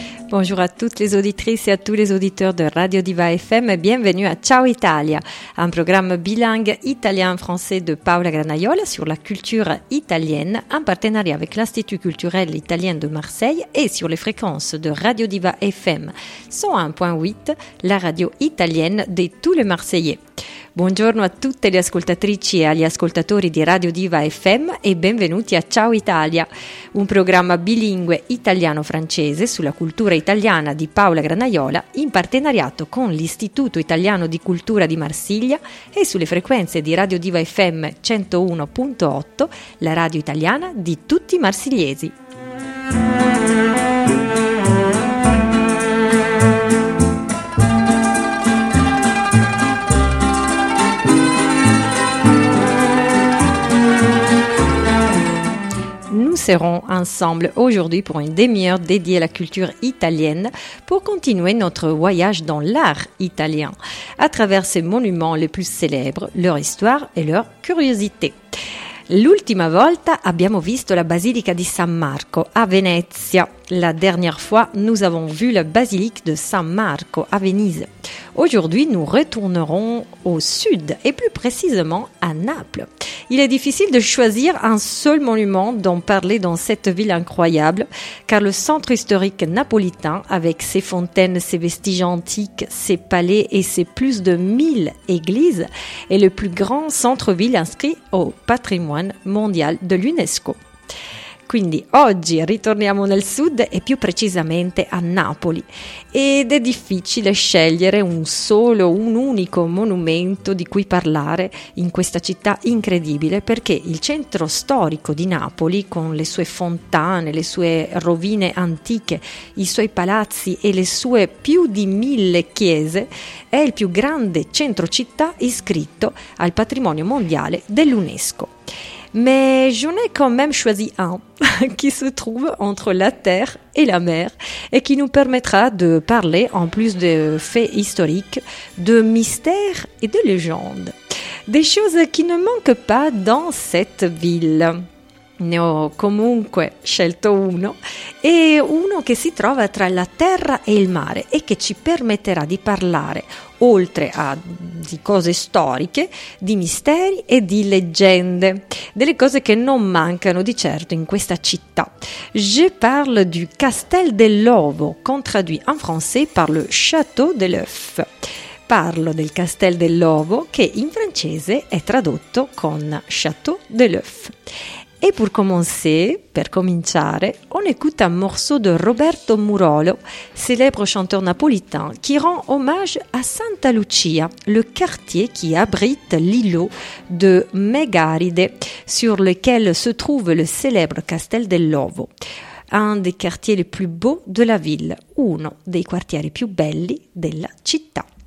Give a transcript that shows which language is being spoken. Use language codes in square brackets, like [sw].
[fr] Bonjour à toutes les auditrices et à tous les auditeurs de Radio Diva FM et bienvenue à Ciao Italia, un programme bilingue italien-français de Paola Granaiola sur la culture italienne en partenariat avec l'Institut culturel italien de Marseille et sur les fréquences de Radio Diva FM 101.8, la radio italienne de tous les Marseillais. [it] Buongiorno a tutte le ascoltatrici e agli ascoltatori di Radio Diva FM e benvenuti a Ciao Italia, un programma bilingue italiano-francese sulla cultura italiana di Paola Granaiola in partenariato con l'Istituto Italiano di Cultura di Marsiglia e sulle frequenze di Radio Diva FM 101.8, la radio italiana di tutti i marsigliesi. [fr] Nous serons ensemble aujourd'hui pour une demi-heure dédiée à la culture italienne pour continuer notre voyage dans l'art italien, à travers ses monuments les plus célèbres, leur histoire et leur curiosité. [it] L'ultima volta abbiamo visto la basilica di San Marco a Venezia. [fr] La dernière fois, nous avons vu la basilique de San Marco à Venise. Aujourd'hui, nous retournerons au sud et plus précisément à Naples. Il est difficile de choisir un seul monument dont parler dans cette ville incroyable, car le centre historique napolitain, avec ses fontaines, ses vestiges antiques, ses palais et ses plus de 1000 églises, est le plus grand centre-ville inscrit au patrimoine mondial de l'UNESCO. [it] Quindi oggi ritorniamo nel sud e più precisamente a Napoli ed è difficile scegliere un unico monumento di cui parlare in questa città incredibile perché il centro storico di Napoli con le sue fontane, le sue rovine antiche, i suoi palazzi e le sue più di 1000 chiese è il più grande centro città iscritto al patrimonio mondiale dell'UNESCO. [fr] Mais j'en ai quand même choisi un qui se trouve entre la terre et la mer et qui nous permettra de parler, en plus de faits historiques, de mystères et de légendes. Des choses qui ne manquent pas dans cette ville. [it] Ne ho comunque scelto uno e uno che si trova tra la terra e il mare e che ci permetterà di parlare, oltre a di cose storiche, di misteri e di leggende, delle cose che non mancano di certo in questa città. [fr] Je parle du Castel dell'Ovo, traduit en français par le Château de l'œuf. [it] Parlo del Castel dell'Ovo che in francese è tradotto con Château de l'œuf. [fr] Et pour commencer, [it] per cominciare, [fr] on écoute un morceau de Roberto Murolo, célèbre chanteur napolitain, qui rend hommage à Santa Lucia, le quartier qui abrite l'îlot de Megaride, sur lequel se trouve le célèbre Castel dell'Ovo, un des quartiers les plus beaux de la ville, [it] uno dei quartieri più belli della città.